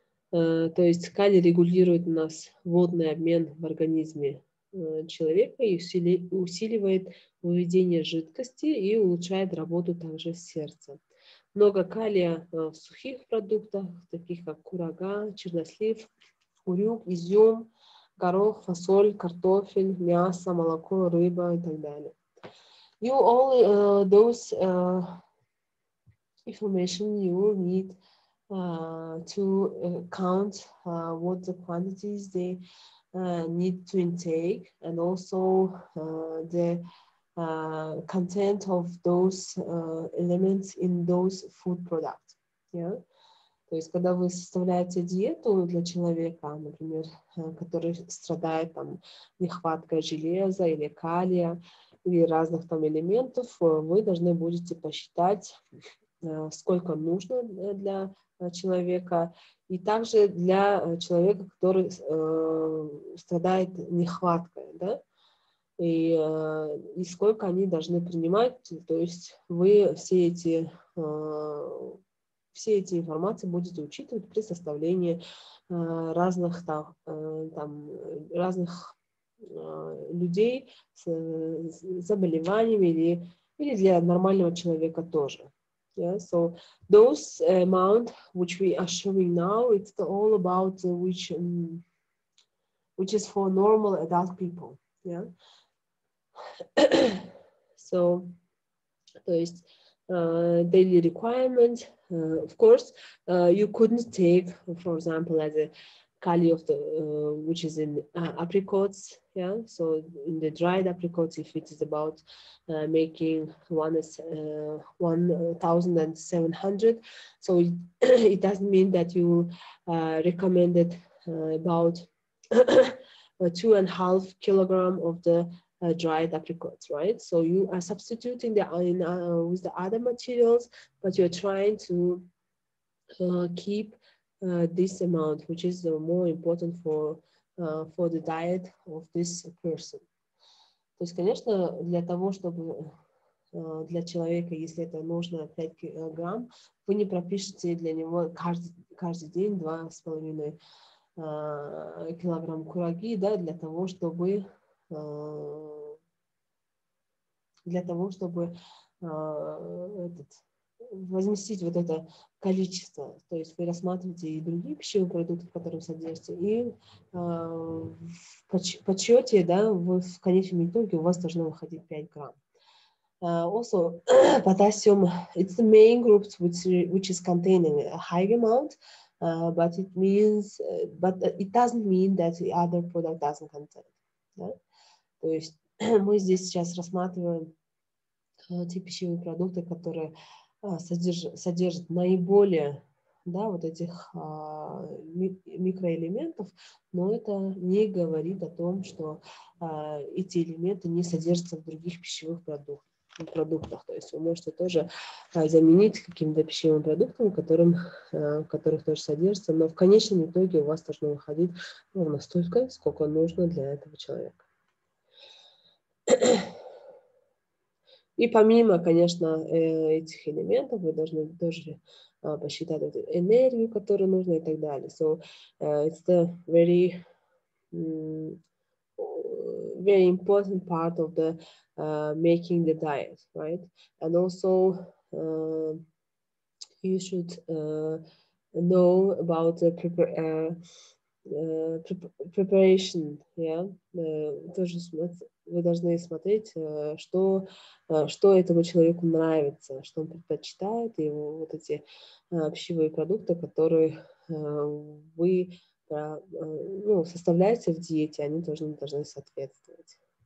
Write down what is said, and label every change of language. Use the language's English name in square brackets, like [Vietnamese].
[Russian] То есть калий регулирует у нас водный обмен в организме человека и усиливает выведение жидкости и улучшает работу также сердца. Много калия в сухих продуктах, таких как курага, чернослив, урюк, изюм, горох, фасоль, картофель, мясо, молоко, рыба и так далее. [English] You all those information you will need to count what the quantities they need to intake, and also the content of those elements in those food products. Yeah? [Russian] То есть, когда вы составляете диету для человека, например, который страдает там нехваткой железа или калия, или разных там элементов, вы должны будете посчитать, сколько нужно для человека, и также для человека, который страдает нехваткой, да, и сколько они должны принимать, то есть вы все эти информации будете учитывать при составлении разных людей с заболеваниями или для нормального человека тоже. [English] Yeah, so those amount which we are showing now, it's all about which is for normal adult people. Yeah. So, [Russian] то есть [English] daily requirement. Of course, you couldn't take, for example, as a калий of the which is in apricots, yeah, so in the dried apricots, if it is about making 1,700, so it doesn't mean that you recommended about 2.5 kilogram of the dried apricots, right? So you are substituting the iron with the other materials, but you're trying to keep this amount, which is more important for the diet of this person. [Russian] То есть, конечно, для того, чтобы для человека, если это нужно 5 грамм, вы не пропишете для него каждый день 2,5 килограмм кураги, да, для того, чтобы этот возместить вот это количество, то есть вы рассматриваете и другие пищевые продукты, которые содержатся, и в подсчете, да, в конечном итоге у вас должно выходить 5 грамм. [English] Also, potassium, it's the main group which is containing a high amount, but it doesn't mean that the other product doesn't contain. [Russian] Да? То есть мы здесь сейчас рассматриваем те пищевые продукты, которые содержит наиболее, да, вот этих микроэлементов, но это не говорит о том, что эти элементы не содержатся в других пищевых продуктах. То есть вы можете тоже заменить каким-то пищевым продуктом, в которых тоже содержится, но в конечном итоге у вас должно выходить ровно столько, сколько нужно для этого человека. И помимо, конечно, этих элементов, вы должны тоже посчитать эту энергию, которую нужно, и так далее. [English] So it's the very, very important part of the making the diet, right? And also you should know about the preparation, [Russian] тоже вы должны смотреть, что этому человеку нравится, что он предпочитает, и вот эти пищевые продукты, которые вы составляете в диете, они тоже должны соответствовать.